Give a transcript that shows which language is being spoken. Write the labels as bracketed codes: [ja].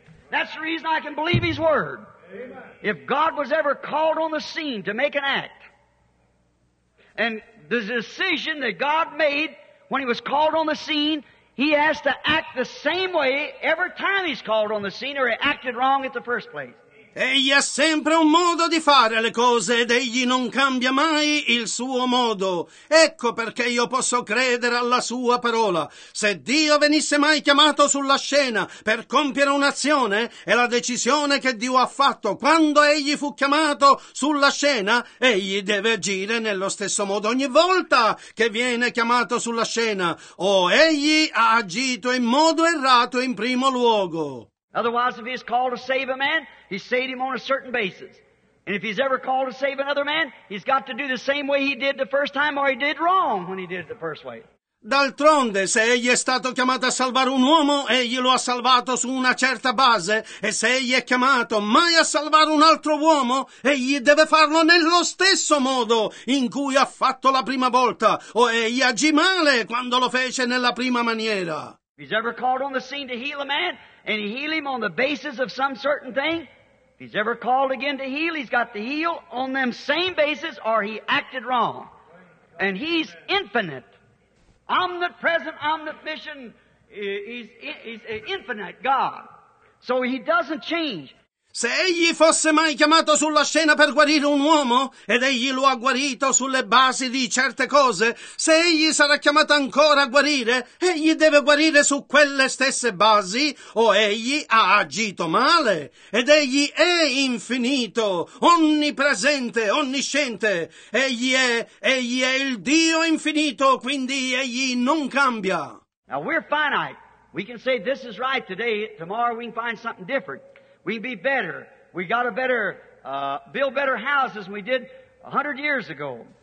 [en] That's the reason I can believe his word. If God was ever called on the scene to make an act, and the decision that God made when he was called on the scene, he has to act the same way every time he's called on the scene, or he acted wrong at the first place. [it] Egli ha sempre un modo di fare le cose ed egli non cambia mai il suo modo. Ecco perché io posso credere alla sua parola. Se Dio venisse mai chiamato sulla scena per compiere un'azione, è la decisione che Dio ha fatto. Quando egli fu chiamato sulla scena, egli deve agire nello stesso modo ogni volta che viene chiamato sulla scena. O egli ha agito in modo errato in primo luogo. [en] Otherwise, if he's called to save a man, he saved him on a certain basis. And if he's ever called to save another man, he's got to do the same way he did the first time, or he did wrong when he did it the first way. [it] D'altronde, se egli è stato chiamato a salvare un uomo, egli lo ha salvato su una certa base. E se egli è chiamato mai a salvare un altro uomo, egli deve farlo nello stesso modo in cui ha fatto la prima volta. O egli agì male quando lo fece nella prima maniera. [en] If he's ever called on the scene to heal a man, and he heal him on the basis of some certain thing, if he's ever called again to heal, he's got to heal on them same basis, or he acted wrong. And he's infinite. Omnipresent, omniscient, he's infinite God. So he doesn't change. [it] Se egli fosse mai chiamato sulla scena per guarire un uomo, ed egli lo ha guarito sulle basi di certe cose, se egli sarà chiamato ancora a guarire, egli deve guarire su quelle stesse basi, o egli ha agito male. Ed egli è infinito, onnipresente, onnisciente. Egli è il Dio infinito, quindi egli non cambia. [en] Now we're finite. We can say this is right today, tomorrow we can find something different. We be better. We got a better, build better houses than we did 100 years ago.